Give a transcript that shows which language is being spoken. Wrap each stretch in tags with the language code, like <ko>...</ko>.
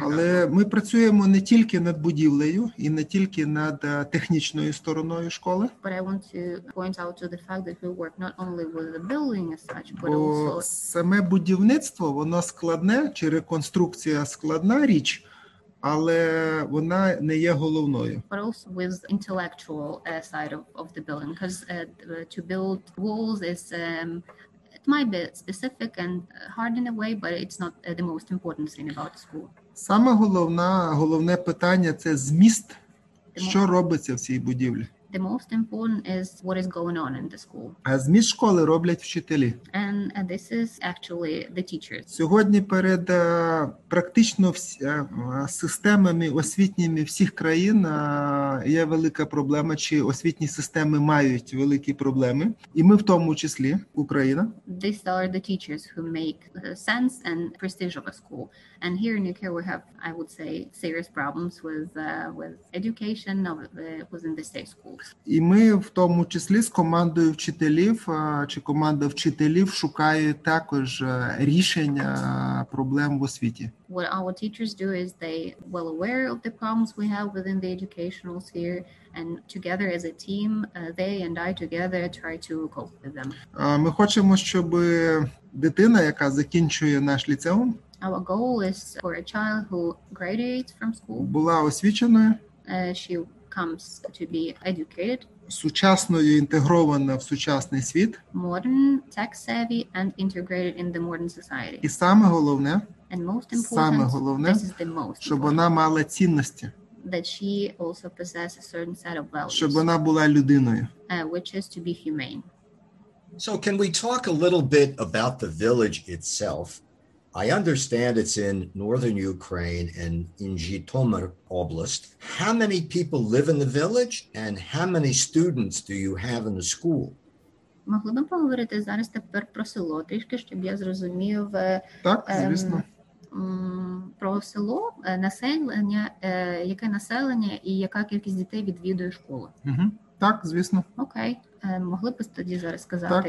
<uk>Але ми працюємо не тільки над будівлею і не тільки над технічною стороною школи.</uk> <en>But I want to point out to the fact that we work not only with the building as such, but also...</en> <uk>Саме будівництво, воно складне, чи реконструкція складна річ, але вона не є головною.</uk> <en>But also with intellectual side of the building, because to build walls is it might be specific and hard in a way, but it's not the most important thing about school.</en> <uk>Саме головне питання – це зміст, що робиться в цій будівлі.</uk> <en>The most important is what is going on in the school.</en> <uk>А зміст школи роблять вчителі.</uk> <en>And this is actually the teachers.</en> <uk>Сьогодні перед практично системами освітніми всіх країн є велика проблема, чи освітні системи мають великі проблеми. І ми в тому числі, Україна.</uk> <en>These are the teachers who make sense and prestige of a school. And here in UK we have, I would say, serious problems with education of within the state school.</en> <uk>І ми в тому числі з командою вчителів, чи команда вчителів шукає також рішення проблем в освіті.</uk> <en>What our teachers do is they well aware of the problems we have within the educational sphere, and together as a team, they and I together try to cope with them.</en> <uk>Ми хочемо, щоб дитина, яка закінчує наш ліцеум,</uk> <en>our goal is for a child who graduates from school,</en> <uk>була освіченою,</uk> <en>she comes to be educated,</en> <uk>сучасною, інтегрована в сучасний світ,</uk> <en>modern, tech-savvy, and integrated in the modern society.</en> <uk>І саме головне,</uk> <en>and most important,</en> <uk>саме головне,</uk> <en>this is the most,</en> <uk>щоб</uk> <en>important,</en> <uk>вона мала цінності,</uk> <en>that she also possesses a certain set of values,</en> <uk>щоб вона була людиною,</uk> <en>which is to be humane. So can we talk a little bit about the village itself? I understand it's in northern Ukraine and in Zhytomyr Oblast. How many people live in the village and how many students do you have in the school?</en> <uk>Могли б поговорити зараз тепер про село трішки, щоб я зрозумів. Так, звісно. Про село, населення, яке населення і яка кількість дітей відвідує школу. Так, звісно. Окей. Могли б тоді зараз сказати</uk>